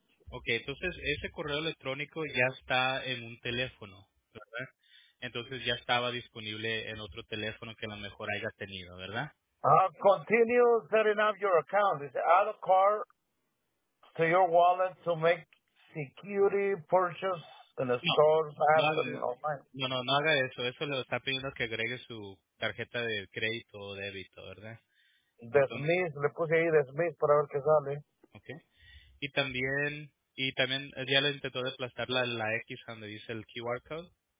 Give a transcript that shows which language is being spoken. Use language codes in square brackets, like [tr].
[es] Okay, entonces ese correo electrónico ya está en un teléfono, ¿verdad? Entonces ya estaba disponible en otro teléfono que a lo mejor haya tenido, ¿verdad? [en] Continue setting up your account. It's add a card to your wallet to make security purchase. [es] No haga eso. Eso le está pidiendo que agregue su tarjeta de crédito o débito, ¿verdad? Dismiss, le puse ahí dismiss para ver qué sale. Okay. Y también ya le intentó desplastar la X donde dice el QR code.